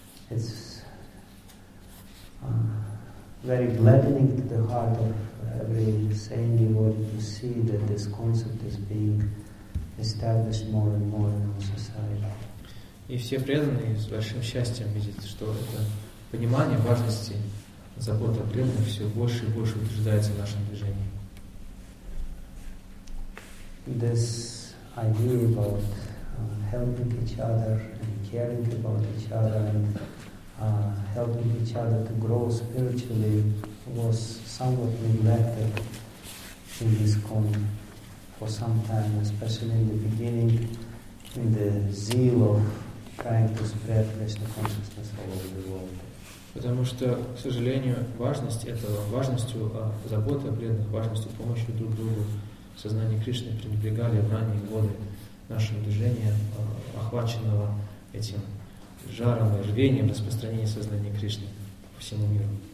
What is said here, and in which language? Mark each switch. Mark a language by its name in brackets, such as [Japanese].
[English] It's very gladdening to the heart of every sane devotee to see that this concept is being established more and more in our society. [Russian] И все преданные с большим счастьем видят, что это понимание важности забота о преданных все больше и больше утверждается в нашем движении. [English] This idea about helping each other and caring about each other and helping each other to grow spiritually was somewhat neglected in this corner for some time, especially in the beginning, in the zeal of trying to spread Krishna consciousness all over the world. [Russian] Потому что, к сожалению, важность этого, важностью заботы о преданных, важностью помощи друг другу в сознании Кришны пренебрегали в ранние годы нашего движения, охваченного этим жаром и рвением распространения сознания Кришны по всему миру.